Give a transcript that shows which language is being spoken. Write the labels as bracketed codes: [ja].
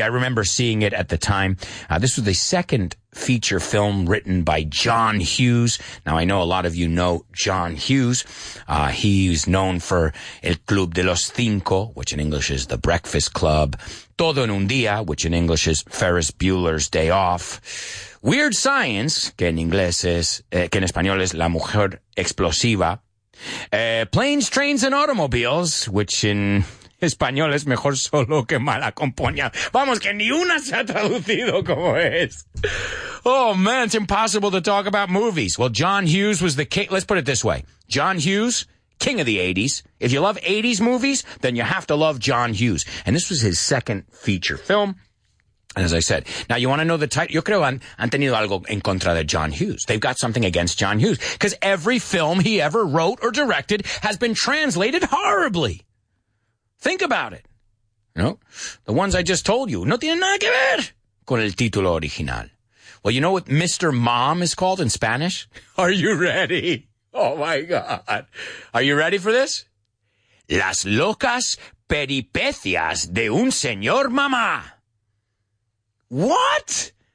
[en] I remember seeing it at the time. This was the second feature film written by John Hughes. Now, I know a lot of you know John Hughes. He's known for El Club de los Cinco, which in English is The Breakfast Club. Todo en un Día, which in English is Ferris Bueller's Day Off. [es] Weird Science, que en inglés es, que en español es La Mujer Explosiva. [en] Planes, Trains, and Automobiles, which in español es mejor solo que mal acompañado. [es] Vamos, que ni una se ha traducido como es. [en] Oh, man, it's impossible to talk about movies. Well, John Hughes was the king. Let's put it this way. John Hughes, king of the 80s. If you love 80s movies, then you have to love John Hughes. And this was his second feature film. And as I said, now you want to know the title? [es] Yo creo han tenido algo en contra de John Hughes. [en] They've got something against John Hughes. Because every film he ever wrote or directed has been translated horribly. Think about it. You know? The ones I just told you. [es] No tienen nada que ver con el título original. [en] Well, you know what Mr. Mom is called in Spanish? Are you ready? Oh, my God. Are you ready for this? Las locas peripecias de un señor mamá. What?